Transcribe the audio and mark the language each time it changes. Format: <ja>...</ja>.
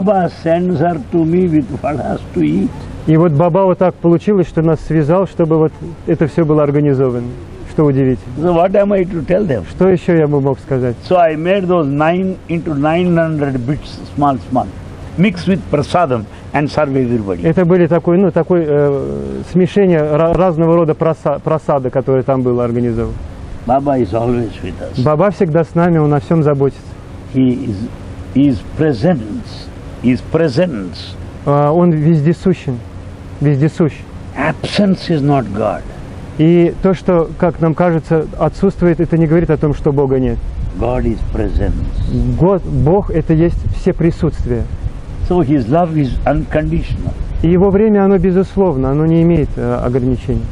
<en>Baba sends her to me with vadas to eat.</en> <ru>И вот Баба вот так получилось, что нас связал, чтобы вот это все было организовано. Что удивительно.</ru> <en>So what am I to tell them?</en> <ru>Что еще я бы мог сказать?</ru> <en>So I made those 9 into 900 bits small, small. Mix with prasadam and serve everybody.</en> <ru>Это были такое, ну, такое смешение разного рода прасада, которое там было организовано.</ru> <en>Baba is always with us.</en> <ru>Баба всегда с нами, он о всем заботится.</ru> <en>He is presence. His presence.</en> <ru>Он вездесущен, вездесущ.</ru> <en>Absence is not God.</en> <ru>И то, что, как нам кажется, отсутствует, это не говорит о том, что Бога нет.</ru> <en>God is presence.</en> <ru>Бог – это есть все присутствие.</ru> <en>So His love is unconditional.</en> <ru>И Его время, оно безусловно, оно не имеет ограничений.</ru>